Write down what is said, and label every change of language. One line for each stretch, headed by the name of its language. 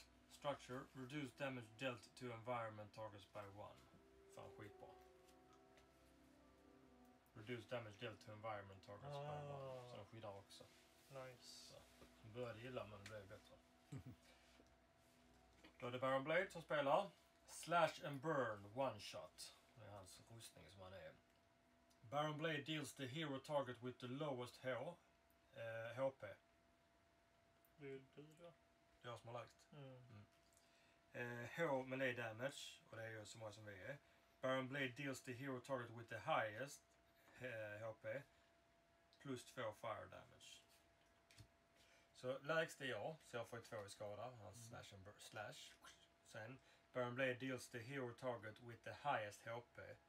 English: Structure, reduce damage dealt to environment targets by one.
Swedish: Fan skitbra.
English: Reduce damage dealt to environment targets by one.
Swedish: Så de skyddar också. Nice. De började gilla men det blev bättre. Då är det Baron Blade som spelar. Slash and burn, one shot. Det är hans rustning som han är.
English: Baron Blade deals the hero target with the lowest HP.
Swedish: Det är ju du då. Det är jag som har lagt. Mm. Melee damage, och det är ju så många som vi är.
English: Baron Blade deals the hero target with the highest HP. Plus 2 fire damage.
Swedish: Så lägst är jag, så jag får 2 i skada. Hans slash and slash.
English: Sen, Baron Blade deals the hero target with the highest HP.